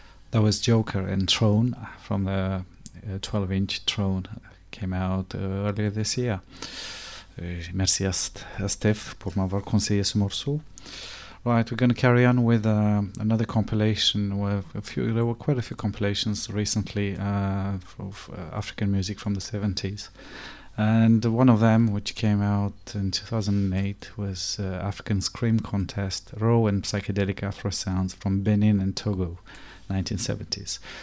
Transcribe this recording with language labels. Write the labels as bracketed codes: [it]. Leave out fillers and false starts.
[en] that was Joker and Throne from the 12-inch Throne, came out earlier this year. [fr] Merci à Steph pour m'avoir conseillé ce morceau. [en] Right, we're going to carry on with another compilation. There were quite a few compilations recently of African music from the 70s. And one of them, which came out in 2008, was African Scream Contest, Raw and Psychedelic Afro Sounds from Benin and Togo, 1970s.